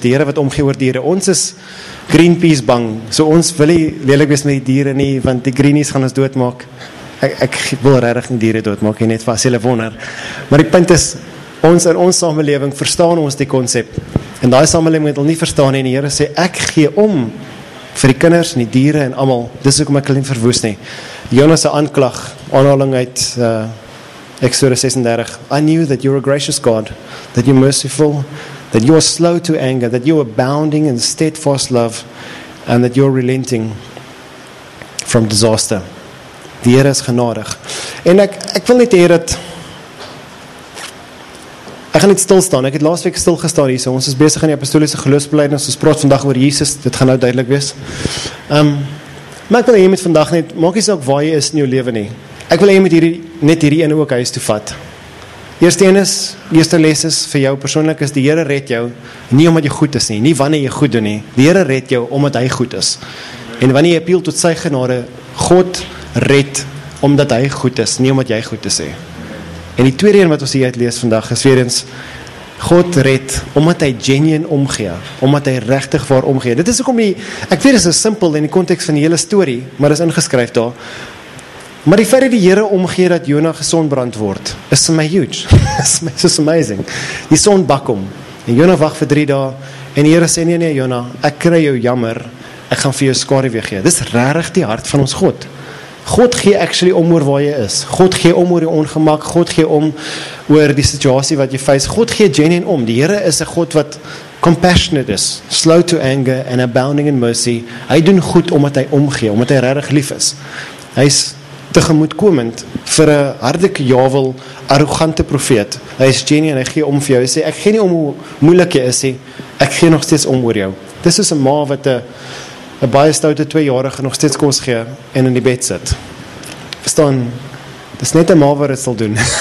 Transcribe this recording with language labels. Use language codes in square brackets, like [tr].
[af] Die Here wat omgee oor diere. Ons is Greenpeace bang. So ons wil nie lelik wees met die diere nie, want die greenies gaan ons doodmaak. Ek wil regtig nie diere doodmaak nie, net vir as hulle wonder. Maar die punt is, ons in ons samelewing verstaan ons die konsep. En daai samelewing moet hulle nie verstaan nie. En die Here sê, ek gee om vir die kinders en die diere en allemaal. Dis ook om ek hulle nie verwoes nie. Jonas' aanklag, aanhaling uit Exodus 36. [en] I knew that you were a gracious God, that you're merciful, that you are slow to anger, that you are abounding in steadfast love, and that you're relenting from disaster. [af] Die Here is genadig. En ek wil net hê dat ek gaan net stil staan. Ek het laasweek stil gestaan hier, so ons is besig in die apostoliese geloofsbelijdenis. Ons praat vandag oor Jesus. Dit gaan nou duidelik wees. Maar ek wil hê met vandag net, maak jy saak waar jy is in jou lewe nie. Ek wil hê met hierdie ene ook huis toe vat. Eerste les is vir jou persoonlik is die Here red jou nie omdat jy goed is nie, nie wanneer jy goed doen nie. Die Here red jou omdat hy goed is. En wanneer jy appeal tot sy genade, God red omdat hy goed is, nie omdat jy goed is nie. En die tweede een wat ons hier uit lees vandag is weer eens, God red omdat hy genuine omgee, omdat hy regtig waar omgee. Dit is ook om die, ek weet dit is simpel in die context van die hele story, maar dit is ingeskryf daar. Maar die feit dat die Here omgee dat Jonah gesond brand word, is my huge. Is amazing. Die son bak om. En Jonah wag vir 3 dae. En die Here sê, nee Jonah, ek kry jou jammer, ek gaan vir jou skaduwee gee. Dit is regtig die hart van ons God. God gee actually om oor waar jy is. God gee om oor die ongemak. God gee om oor die situasie wat jy face. God gee genuine om. Die Here is 'n God wat compassionate is. [en] Slow to anger and abounding in mercy. [af] Hy doen goed omdat hy omgee, omdat hy regtig lief is. Hy is tegemoetkomend vir 'n harde jawel, arrogante profeet. Hy is genuine, hy gee om vir jou. Hy sê, ek gee nie om hoe moeilik jy is. Hy. Ek gee nog steeds om oor jou. Dis soos 'n ma wat 'n baie stoute 2-jarige nog steeds kos gee en in die bed sit. Verstaan, dit is net een ma wat het sal doen.